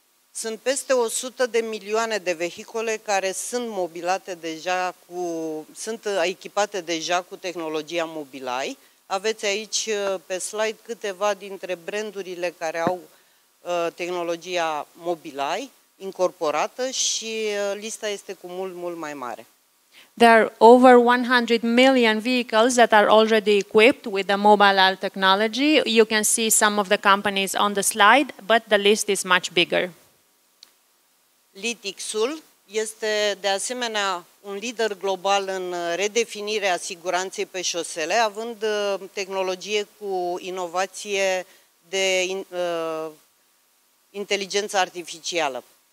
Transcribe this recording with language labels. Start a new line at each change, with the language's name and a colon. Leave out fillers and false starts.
Romanian: Sunt peste 100 de milioane de vehicule care sunt mobilate deja sunt echipate deja cu tehnologia Mobileye. Aveți aici pe slide câteva dintre brandurile care au tehnologia Mobileye incorporată și lista este cu mult, mult mai mare.
English: There are over 100 million vehicles that are already equipped with the Mobileye technology. You can see some of the companies on the slide, but the list is much bigger.
Romanian: Litix-ul este de asemenea un lider global în redefinirea siguranței pe șosele, având tehnologie cu inovație de inteligență artificială.